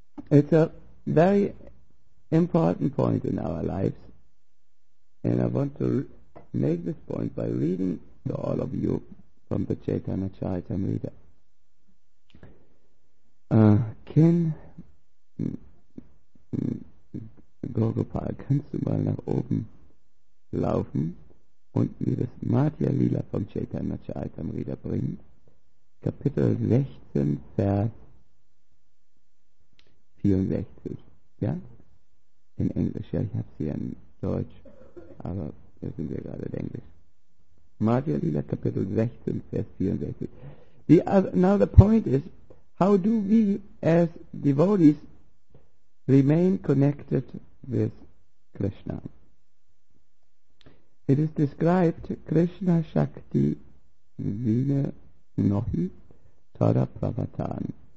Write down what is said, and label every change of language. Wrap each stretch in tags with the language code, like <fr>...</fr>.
<en>It's a very important point in our lives, and I want to make this point by reading to all of you from the Chaitanya Charitamrita.</en> <de>Can Gaugopal kannst du mal nach oben laufen und mir das Matya Lila vom Chaitanya Charitamrita bringen? Kapitel 16, Vers 64. Ja? In Englisch, ja, ich habe sie in Deutsch, aber wir sind ja gerade in Englisch. Matya Lila, Kapitel 16, Vers 64.</de> <en>Now the point is, how do we as devotees remain connected with Krishna? It is described,</en> <bn>Krishna Shakti Vina Nohi Tara Pravatan.</bn>